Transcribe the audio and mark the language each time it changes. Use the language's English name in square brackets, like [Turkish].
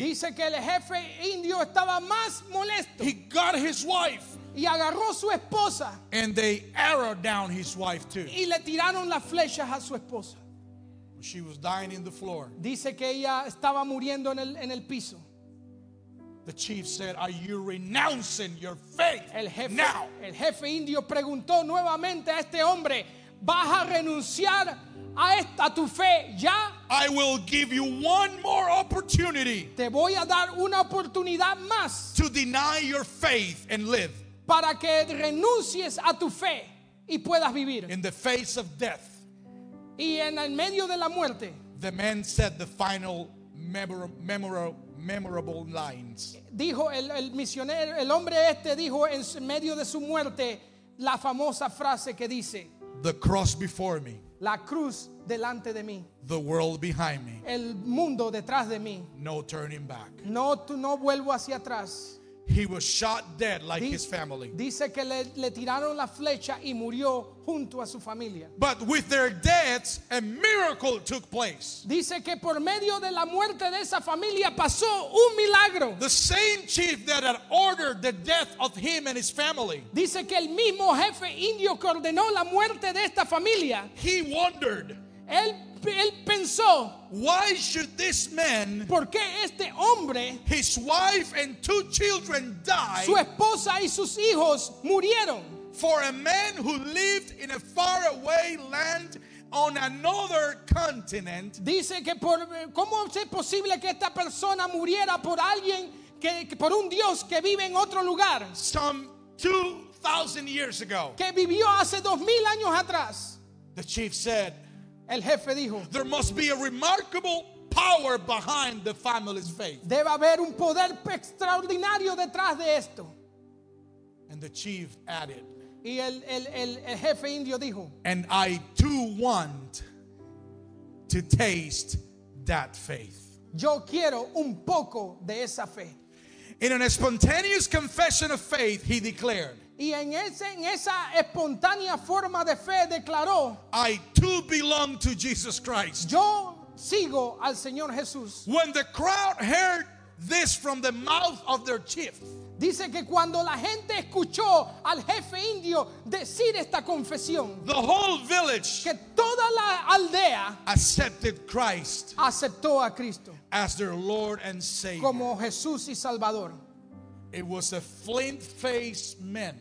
[Spanish] Dice que el jefe indio estaba más molesto. [English] He got his wife. [Spanish] Y agarró su esposa. [English] And they arrowed down his wife too. [Spanish] Y le tiraron las flechas a su esposa. [English] She was dying in the floor. [Spanish] Dice que ella estaba muriendo en el piso. [English] The chief said, "Are you renouncing your faith now?" [Spanish] El jefe indio preguntó nuevamente a este hombre, "¿Vas a renunciar a tu fe ya?" [English] I will give you one more opportunity. [Spanish] Te voy a dar una oportunidad más. [English] To deny your faith and live. [Spanish] Para que renuncies a tu fe y puedas vivir. [English] In the face of death. [Spanish] Y en el medio de la muerte. [English] The man said the final memorable lines. [Spanish] Dijo el misionero, el hombre este dijo en medio de su muerte la famosa frase que dice. [English] The cross before me. [Spanish] La cruz delante de mí. [English] The world behind me. [Spanish] El mundo detrás de mí. [English] No turning back. [Spanish] No vuelvo hacia atrás. [English] He was shot dead like his family. [Spanish] Dice que le tiraron la flecha y murió junto a su familia. [English] But with their deaths, a miracle took place. [Spanish] Dice que por medio de la muerte de esa familia pasó un milagro. [English] The same chief that had ordered the death of him and his family. [Spanish] Dice que el mismo jefe indio que ordenó la muerte de esta familia. [English] He wondered. [Spanish] Él él pensó, [English] why should this man, [Spanish] ¿por qué este hombre, [English] his wife and two children died, [Spanish] su esposa y sus hijos murieron, [English] for a man who lived in a faraway land on another continent? [Spanish] Dice que por, ¿cómo es posible que esta persona muriera por alguien que, por un Dios que vive en otro lugar? [English] Some 2,000 years ago. [Spanish] Que vivió hace 2,000 años atrás. [English] The chief said, [Spanish] el jefe dijo, [English] there must be a remarkable power behind the family's faith. [Spanish] Debe haber un poder extraordinario detrás de esto. [English] And the chief added, [Spanish] y el jefe indio dijo, [English] and I too want to taste that faith. [Spanish] Yo quiero un poco de esa fe. [English] In a spontaneous confession of faith, he declared, [Spanish] y en esa espontánea forma de fe declaró, [English] I too belong to Jesus Christ. [Spanish] Yo sigo al Señor Jesús. [English] When the crowd heard this from the mouth of their chief, [Spanish] dice que cuando la gente escuchó al jefe indio decir esta confesión, [English] the whole village, [Spanish] que toda la aldea, [English] accepted Christ, [Spanish] aceptó a Cristo, [English] as their Lord and Savior, [Spanish] como Jesús y Salvador. [English] It was a flint-faced man.